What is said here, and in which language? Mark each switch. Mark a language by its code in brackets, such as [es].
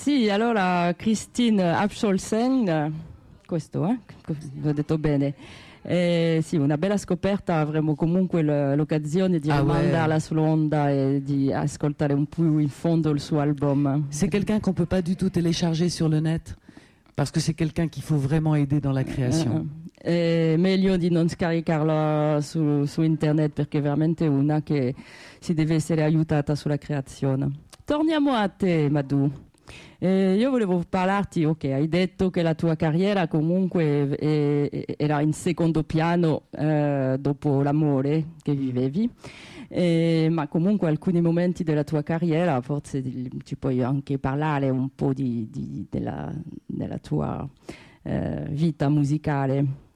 [it] Allora, Christine Abscholzen, questo, ho detto bene. Sì, una bella scoperta. Avremo comunque l'occasione di rimandarla sull'onda e di ascoltare un po' in fondo il suo album. [fr] C'est quelqu'un qu'on peut pas du tout télécharger sur le net, parce que c'est quelqu'un qu'il faut vraiment aider dans la création. [it] Meglio di non scaricarla su internet, perché veramente una che si deve essere aiutata sulla creazione. Torniamo a te, Madhu. Io volevo parlarti, ok, hai detto che la tua carriera comunque era in secondo piano dopo l'amore che vivevi, ma comunque alcuni momenti della tua carriera, forse ci puoi anche parlare un po' della tua vita musicale.